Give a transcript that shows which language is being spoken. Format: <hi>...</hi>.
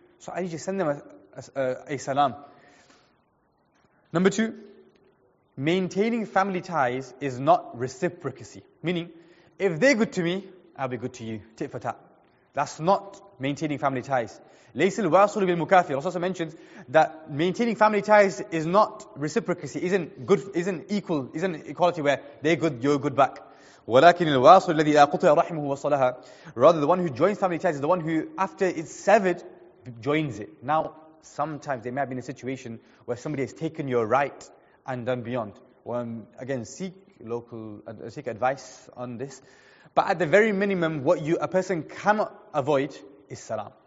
<en>So I need to send them a salam. Number two, maintaining family ties is not reciprocity. Meaning, if they're good to me, I'll be good to you. Tit for tat. That's not maintaining family ties. Laysal wasul bil mukafi. Rasul also mentions that maintaining family ties is not reciprocity. Isn't equality where they're good, you're good back.</en> <ar>ولكن الواصل الذي قطع رحمه وصلها.</ar> <en>Rather, the one who joins family ties is the one who, after it's severed, joins it. Now, sometimes there may have been a situation where somebody has taken your right and done beyond. Well, again, seek advice on this. But at the very minimum, what a person cannot avoid is salam.</en>